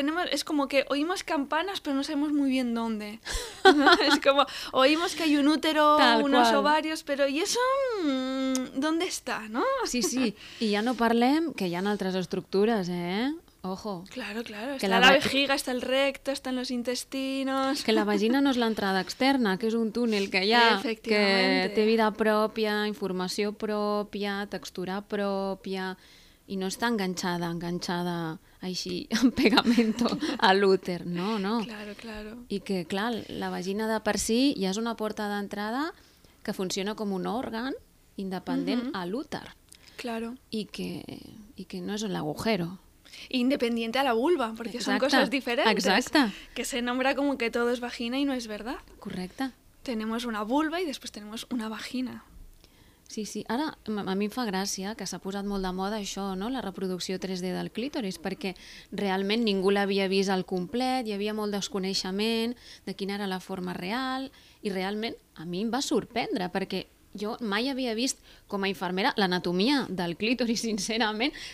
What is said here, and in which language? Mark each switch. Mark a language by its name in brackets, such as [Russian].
[Spanish] Es como que oímos campanas, pero no sabemos muy bien dónde, ¿no? Es como, oímos que hay un útero, ovarios, pero ¿y eso dónde está, no? Sí, sí, y ya no parlem que hay en otras estructuras, ¿eh? Ojo. Claro, claro. Está la vejiga, está el recto, están los intestinos... [Catalan] Que la vagina no és l'entrada externa, que és un túnel que hi ha, que té vida pròpia, informació pròpia, textura pròpia, i no està enganxada així, [Spanish] en pegamento, [Catalan] a l'úter, no, no. [Spanish] Claro, claro. [Catalan] I que, clar, la vagina de per si ja és una porta d'entrada que funciona com un òrgan independent a l'úter. [Spanish] Claro. [Catalan] I que no és l'agujero. [Spanish] Independiente a la vulva, porque [Catalan] exacte, [Spanish] son cosas diferentes. [Catalan] Exacte. [Spanish] Que se nombra como que todo es vagina y no es verdad. [Catalan] Correcte. [Spanish] Tenemos una vulva y después tenemos una vagina. Sí, sí. [Catalan] Ara, a mi em fa gràcia que s'ha posat molt de moda això, no? La reproducció 3D del clítoris, perquè realment ningú l'havia vist al complet, hi havia molt desconeixement de quina era la forma real, i realment a mi em va sorprendre, perquè jo mai havia vist com a infermera l'anatomia del clítoris, sincerament.